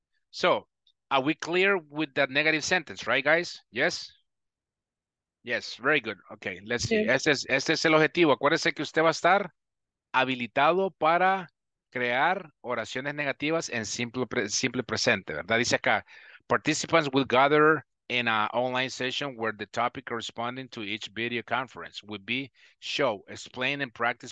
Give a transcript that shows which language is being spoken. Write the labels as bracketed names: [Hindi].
[English] So, are we clear with that negative sentence, right, guys? Yes? Yes, very good. Okay, let's see. [Spanish] Este es el objetivo. Acuérdese que usted va a estar habilitado para crear oraciones negativas en simple presente, ¿verdad? Dice acá, [English] participants will gather in an online session where the topic corresponding to each video conference would be show, explain, and practice.